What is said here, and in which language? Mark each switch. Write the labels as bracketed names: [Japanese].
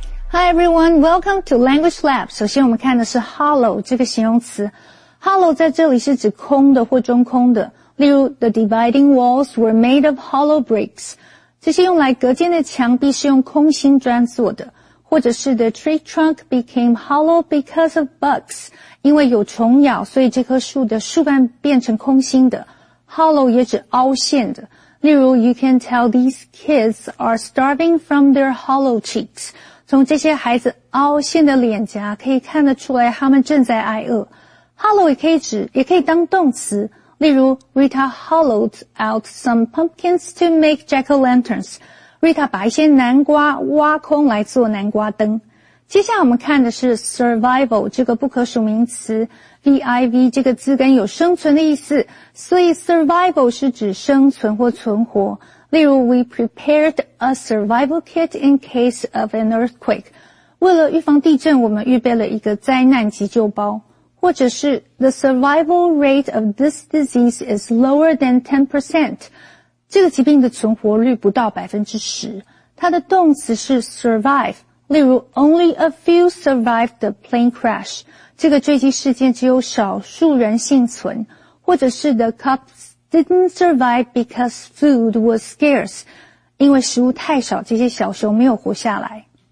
[English] Hi everyone, welcome to Language Lab. [Chinese] 首先我们看的是 hollow 这个形容词。 Hollow 在这里是指空的或中空的。 [English] 例如 ,the dividing walls were made of hollow bricks. [Chinese] 这些用来隔间的墙壁是用空心砖做的。 [English] 或者是 ,the tree trunk became hollow because of bugs. [Chinese] 因为有虫咬所以这棵树的树干变成空心的。 Hollow 也指凹陷的。 [English] 例如 ,you can tell these kids are starving from their hollow cheeks. [Chinese] 从这些孩子凹陷的脸颊可以看得出来他们正在挨饿。 [English] Hollow [Chinese] 也可以当动词。例如 [English] ,Rita hollowed out some pumpkins to make jack-o'-lanterns. [Chinese] Rita 把一些南瓜挖空来做南瓜灯。接下来我们看的是 survival, 这个不可数名词。 V-I-V 这个字根有生存的意思。所以 survival 是指生存或存活。 [English] 例如 ,we prepared a survival kit in case of an earthquake. [Chinese] 为了预防地震我们预备了一个灾难急救包。 [English] 或者是 ,the survival rate of this disease is lower than 10%. [Chinese] 这个疾病的存活率不到 10%. 它的动词是 survive. [English] 例如 ,only a few survived the plane crash. [Chinese] 这个坠机事件只有少数人幸存。 [English] 或者是 ,the cops,didn't survive because food was scarce. [Chinese] 因为食物太少，这些小熊没有活下来。